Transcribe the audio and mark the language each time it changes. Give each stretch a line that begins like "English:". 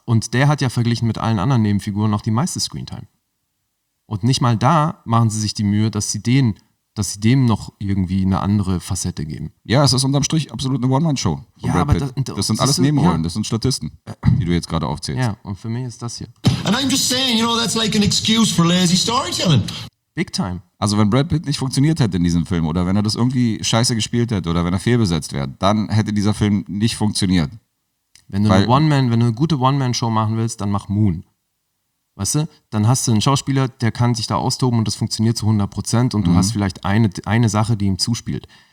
German: Und der hat ja verglichen mit allen anderen Nebenfiguren noch die meiste Screentime. Und nicht mal da machen sie sich die Mühe, dass sie dem noch irgendwie eine andere Facette geben. Ja, es ist unterm Strich absolut eine One-Man-Show. Ja, aber das sind alles Nebenrollen, ja. Das sind Statisten, die du jetzt gerade aufzählst. Ja, und für mich ist das hier.
English: And I'm just saying, you know, that's like an excuse for lazy storytelling. Big time.
German: Also wenn Brad Pitt nicht funktioniert hätte in diesem Film oder wenn er das irgendwie scheiße gespielt hätte oder wenn er fehlbesetzt wäre, dann hätte dieser Film nicht funktioniert. Wenn du eine gute One-Man-Show machen willst, dann mach Moon. Weißt du? Dann hast du einen Schauspieler, der kann sich da austoben und das funktioniert zu 100% und du hast vielleicht eine Sache, die ihm zuspielt.